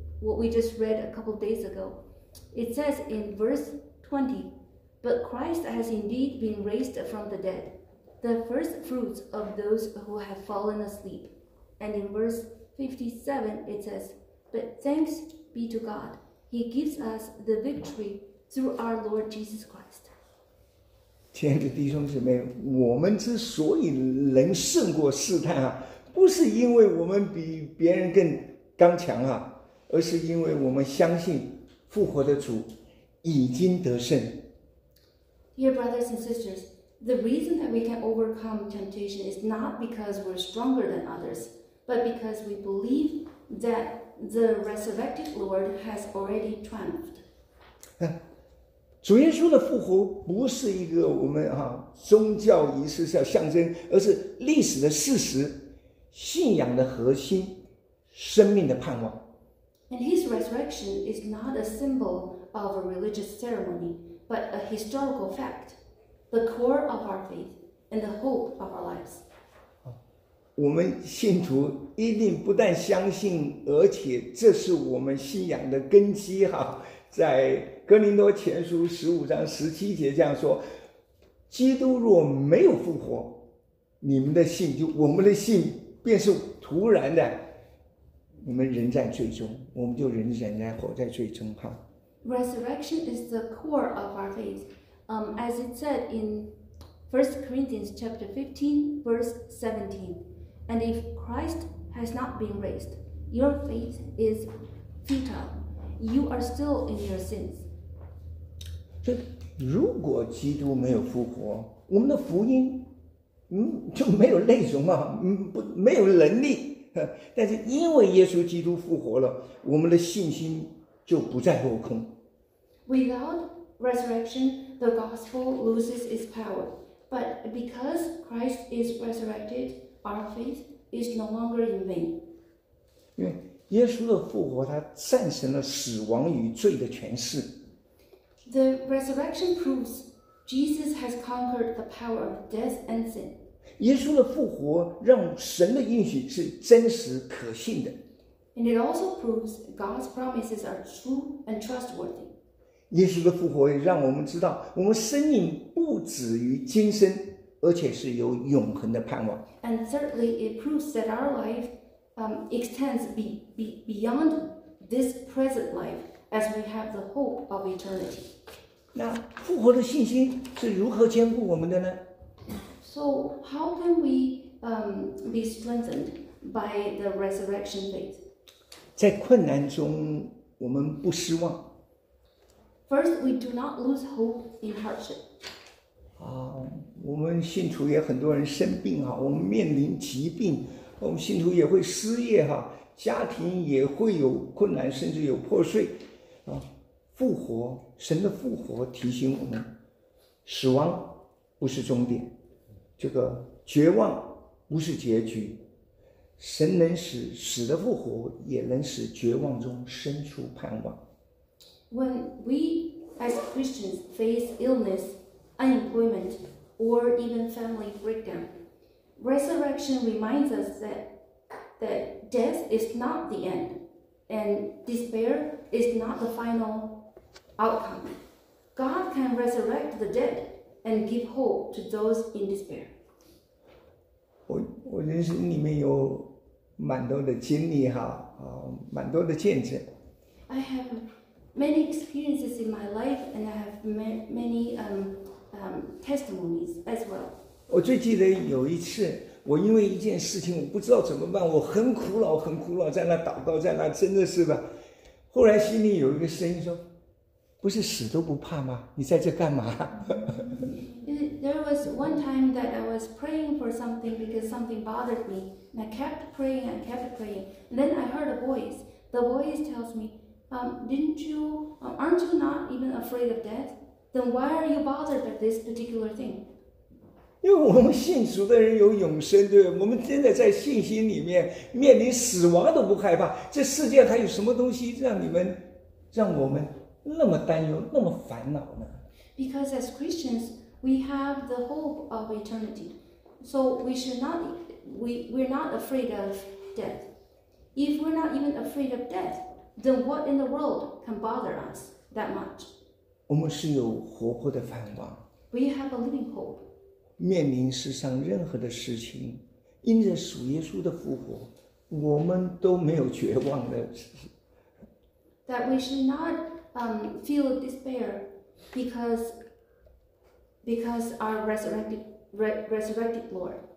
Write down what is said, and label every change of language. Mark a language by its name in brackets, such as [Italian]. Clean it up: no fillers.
[English] What we just read a couple days ago. It says in verse 20, But Christ has indeed been raised from the dead, the first fruits of those who have fallen asleep. And in verse 57, it says, But thanks be to God, He gives us the victory through our Lord Jesus Christ. [Chinese] 亲爱的弟兄姊妹，我们之所以能胜过试探啊，不是因为我们比别人更刚强啊。而是因为我们相信复活的主已经得胜。 [English] Dear brothers and sisters, the reason that we can overcome temptation is not because we're stronger than others, but because we believe that the resurrected Lord has already triumphed. [Chinese] 主耶稣的复活不是一个我们宗教仪式的象征，而是历史的事实，信仰的核心，生命的盼望。 [English] And his resurrection is not a symbol of a religious ceremony, but a historical fact, the core of our faith and the hope of our lives. [Chinese] 我们信徒一定不但相信，而且这是我们信仰的根基哈。在哥林多前书15:17这样说：基督若没有复活，你们的信就我们的信便是徒然的。我们仍在最终，我们就仍然活在最终哈。 [English] Resurrection is the core of our faith. As it said in 1 Corinthians chapter 15, verse 17, and if Christ has not been raised, Your faith is futile. You are still in your sins. [Chinese] 这如果基督没有复活，我们的福音，就没有内容啊，不，没有能力。但是因为耶稣基督复活了，我们的信心就不再落空。 [English] Without resurrection, the gospel loses its power. But because Christ is resurrected, our faith is no longer in vain. [Chinese] 因为耶稣的复活，他战胜了死亡与罪的权势。 [English] The resurrection proves Jesus has conquered the power of death and sin. [Chinese] 耶稣的复活让神的应许是真实可信的。 [English] And it also proves God's promises are true and trustworthy. [Chinese] 耶稣的复活让我们知道，我们生命不止于今生，而且是有永恒的盼望。 [English] And thirdly, it proves that our life extends beyond this present life, as we have the hope of eternity. [Chinese] 那复活的信心是如何坚固我们的呢？ [English] So how can we be strengthened by the resurrection faith? [Chinese] 在困难中，我们不失望。 [English] First, we do not lose hope in hardship. [Chinese] 我们信徒也很多人生病啊，我们面临疾病。我们信徒也会失业哈，家庭也会有困难，甚至有破碎，啊，复活，神的复活提醒我们，死亡不是终点，这个绝望不是结局，神能使死的复活，也能使绝望中生出盼望。 [English] When we as Christians face illness, unemployment, or even family breakdown. Resurrection reminds us that death is not the end, and despair is not the final outcome. God can resurrect the dead and give hope to those in despair. [Chinese] 我人生里面有蛮多的经历哈，蛮多的见证。 [English] I have many experiences in my life, and I have many testimonies as well. [Chinese] 我最记得有一次，我因为一件事情，我不知道怎么办，我很苦恼，很苦恼，在那祷告，在那真的是吧。后来心里有一个声音说：“不是死都不怕吗？你在这干嘛？” [English] There was one time that I was praying for something because something bothered me, and I kept praying and kept praying. And then I heard a voice. The voice tells me, "Aren't you not even afraid of death? Then why are you bothered with this particular thing?" [Chinese] 因为我们信主的人有永生，对，我们真的在信心里面面临死亡都不害怕，这世界还有什么东西让我们那么担忧，那么烦恼呢？ [English] Because as Christians, we have the hope of eternity, so we're not afraid of death. If we're not even afraid of death, then what in the world can bother us that much? [Chinese] 我们是有活泼的盼望。 [English] We have a living hope. [Chinese] 面临世上任何的事情，因着主耶稣的复活，我们都没有绝望的。 [English] That we should not feel despair because our resurrected Lord.